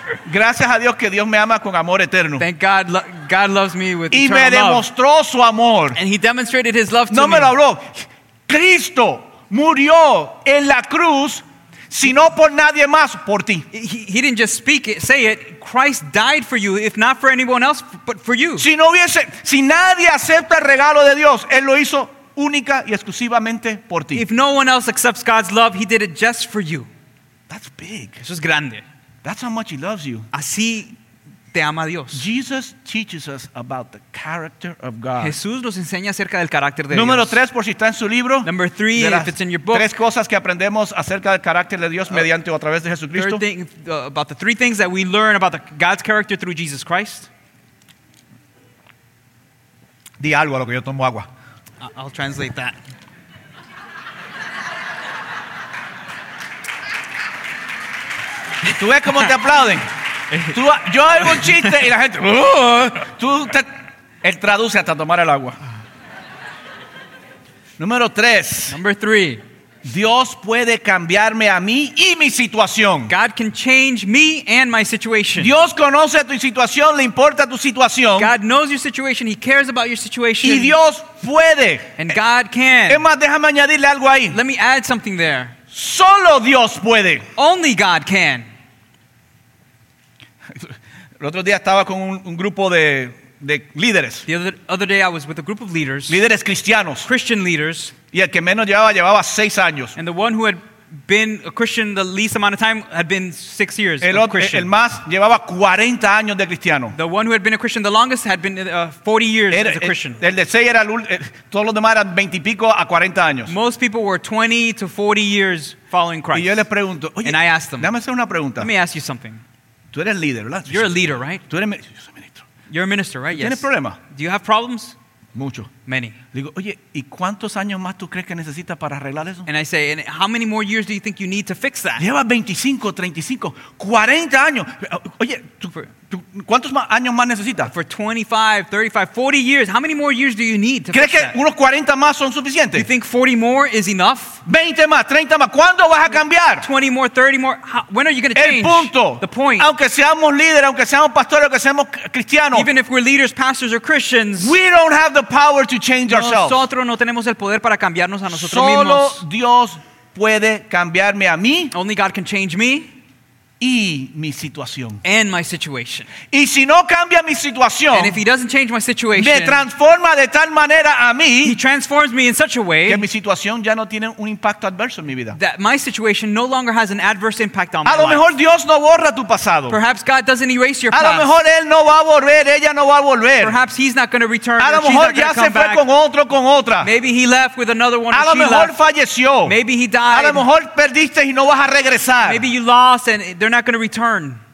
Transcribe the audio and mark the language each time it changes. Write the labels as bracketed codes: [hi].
[es] Gracias a Dios que Dios me ama con amor eterno. [en] Thank God, God loves me with [es] y me demostró [en] love. [es] Su amor. [en] And he demonstrated his love to [es] no [en] me. [es] No me lo habló. Cristo murió en la cruz, sino por nadie más, por ti. [en] He didn't just speak it, say it. Christ died for you, if not for anyone else, but for you. [es] Si no hubiese, si nadie acepta el regalo de Dios, él lo hizo única y exclusivamente por ti. [en] If no one else accepts God's love, he did it just for you. That's big. [es] Eso es grande. [en] That's how much he loves you. [es] Así te ama Dios. [en] Jesus teaches us about the character of God. [es] Jesús nos enseña acerca del carácter de Dios. Número tres, por si está en su libro. [en] Number three, if it's in your book. [es] Tres cosas que aprendemos acerca del carácter de Dios mediante o a través de Jesucristo. [en] Third thing, about the three things that we learn about God's character through Jesus Christ. [es] Di algo a lo que yo tomo agua. [en] I'll translate that. [es] ¿Tú ves cómo te aplauden? Tú, yo hago un chiste y la gente tú te, él traduce hasta tomar el agua. Número tres. [en] Number three. [es] Dios puede cambiarme a mí y mi situación. [en] God can change me and my situation. [es] Dios conoce tu situación, le importa tu situación. [en] God knows your situation, he cares about your situation. [es] Y Dios puede. [en] And God can. [es] Es más, déjame añadirle algo ahí. [en] Let me add something there. [es] Solo Dios puede. [en] Only God can. [es] El otro día estaba con un grupo de líderes. [en] The other day I was with a group of leaders. [es] Líderes cristianos. [en] Christian leaders. [es] Y el que menos llevaba 6 años. [en] And the one who had been a Christian the least amount of time had been 6 years. [es] El más llevaba 40 años de cristiano. [en] The one who had been a Christian the longest had been 40 years as a Christian. [es] El de 6 era el todos los demás eran 20 y pico a 40 años. [en] Most people were 20 to 40 years following Christ. [es] Y yo les pregunto, oye, [en] and I asked them, [es] dame una pregunta. [en] Let me ask you something. [es] Tú eres líder, ¿verdad? [en] You're a leader, right? [es] Tú eres ministro. [en] You're a minister, right? Yes. [es] ¿Tienes problema? [en] Do you have problems? [es] Mucho. [en] Many. [es] Digo, oye, ¿y cuántos años más tú crees que necesitas para arreglar eso? [en] And I say, and how many more years do you think you need to fix that? [es] Lleva 25, 35, 40 años. Oye, ¿cuántos más años más necesitas? [en] For 25, 35, 40 years, how many more years do you need to fix that? [es] ¿Crees que unos 40 más son suficientes? [en] You think 40 more is enough? [es] 20 más, 30 más, ¿cuándo vas a cambiar? [en] 20 more, 30 more, when are you going to change? [es] El punto. [en] The point. [es] Aunque seamos líderes, aunque seamos pastores, aunque seamos cristianos. [en] Even if we're leaders, pastors, or Christians. We don't have the power to change ourselves. [es] Nosotros no tenemos el poder para cambiarnos a nosotros solo mismos. Solo Dios puede cambiarme a mí. [en] Only God can change me. [es] Y mi situación. [en] And my situation. [es] Y si no cambia mi situación, [en] and if he doesn't change my situation, [es] me transforma de tal manera a mí, [en] he transforms me in such a way [es] que mi situación ya no tiene un impacto adverso en mi vida. [en] That my situation no longer has an adverse impact on [es] a [en] my life. [es] A lo mejor Dios no borra tu pasado. [en] Perhaps God doesn't erase your [es] a [en] past. [es] A lo mejor él no va a volver, ella no va a volver. [en] Perhaps he's not going to return. [es] A lo mejor ya se fue [en] back [es] con otro, con otra. [en] Maybe he left with another one. [es] A lo mejor falleció. [en] Maybe he died. [es] A lo mejor perdiste y no vas a regresar. [en] Maybe you lost and they're not going to return.